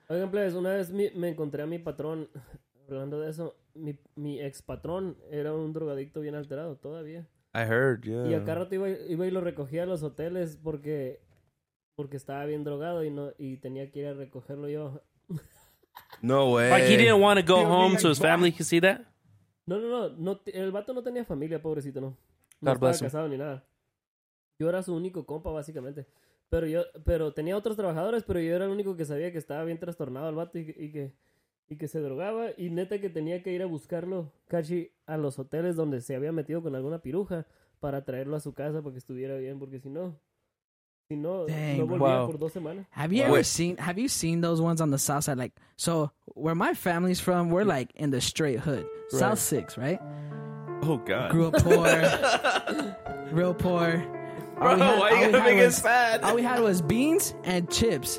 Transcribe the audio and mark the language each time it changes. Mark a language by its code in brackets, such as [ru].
[es] Oigan, [en] please, [es] una vez me encontré a mi patrón, hablando de eso, mi ex patrón era un drogadicto bien alterado todavía. [en] I heard, yeah. [es] Y acá rato iba y lo recogía a los hoteles porque estaba bien drogado y tenía que ir a recogerlo yo. [en] No way. Like he didn't want to go home to his family, you see that? [es] No, el vato no tenía familia, pobrecito, no. [en] God bless him. [es] No estaba casado ni nada. Yo era su único compa, básicamente. Pero tenía otros trabajadores, pero yo era el único que sabía que estaba bien trastornado el vato y que se drogaba, y neta que tenía que ir a buscarlo, Cachi, a los hoteles donde se había metido con alguna piruja para traerlo a su casa para que estuviera bien, porque si no, [en] dang, [es] no volvía [en] wow. [es] por 2 semanas. [en] Have you seen those ones on the south side? Like, so, where my family's from, we're like in the straight hood. Right. South 6, right? Oh, God. Grew up poor. Real poor. Bro, had, why you gonna make us fat? All we had was beans and chips.